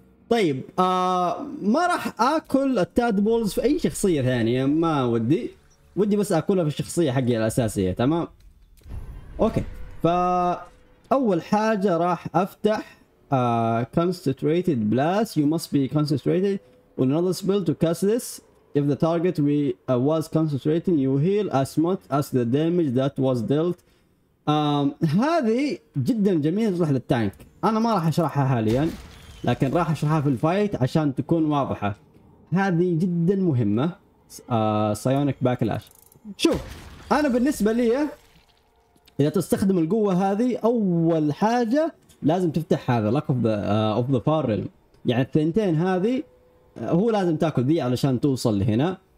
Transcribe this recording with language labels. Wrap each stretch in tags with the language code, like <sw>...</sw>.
<ar>طيب ما راح اكل التاد بولز في اي شخصيه ثانيه، ما ودي بس اكلها في الشخصيه حقي الاساسيه. تمام اوكي، فاول حاجه راح افتح concentrated blast.</ar> <en>You must be concentrated on another spell to cast this. If the target we was concentrating, you heal as much as the damage that was dealt.</en> <ar>هذه جدا جميلة تروح للتانك. أنا ما راح أشرحها حاليا، لكن راح أشرحها في الفايت عشان تكون واضحة. هذه جدا مهمة. سايونيك باكلاش. شوف، أنا بالنسبة لي إذا تستخدم القوة هذه، أول حاجة لازم تفتح هذا لك اوف ذا فار ريلم، يعني الثنتين هذه هو لازم تاكل ذي علشان توصل لهنا.</ar>